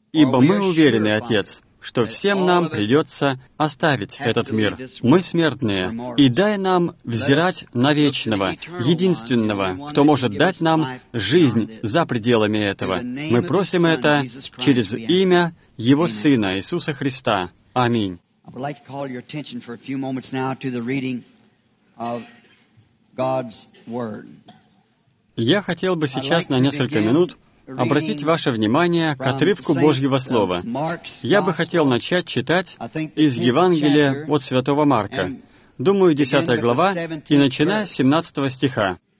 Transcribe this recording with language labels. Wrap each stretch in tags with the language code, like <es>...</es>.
<ru>Ибо мы уверены, Отец, что всем нам придется оставить этот мир. Мы смертные, и дай нам взирать на вечного, единственного, кто может дать нам жизнь за пределами этого. Мы просим это через имя Его Сына Иисуса Христа. Аминь.</ru> <en>I would like to call your attention for a few moments now to the reading of God's Word.</en> <ru>Я хотел бы сейчас на несколько минут обратить ваше внимание к отрывку Божьего Слова. Я бы хотел начать читать из Евангелия от Святого Марка, думаю, 10 глава, и начиная с 17 стиха.</ru>